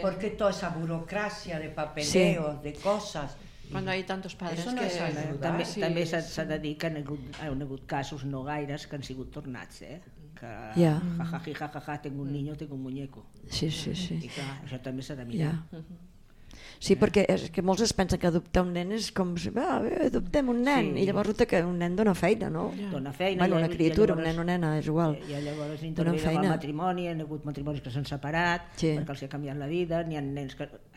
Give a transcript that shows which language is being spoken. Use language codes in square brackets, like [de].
[es] ¿Por qué toda esa burocracia de papeleos, de cosas? [ca] Quan hi ha [es] tantos padres [ca] no que... També s'ha de dir que han hagut casos no gaires que han sigut tornats, eh? [es] Que tengo un niño, tengo un muñeco. [ca] Sí. I clar, això també s'ha de mirar. [en] Yeah. [ca] Sí, perquè és que molts es pensen que adoptar un nen és com si adoptem un nen, i llavors resulta que un nen dona feina, no? Dona feina. Bueno, una criatura, llavors, un nen o nena, és igual. I llavors intervé el matrimoni, hi ha hagut matrimonis que s'han separat perquè els ha canviat la vida, n'hi ha nens que...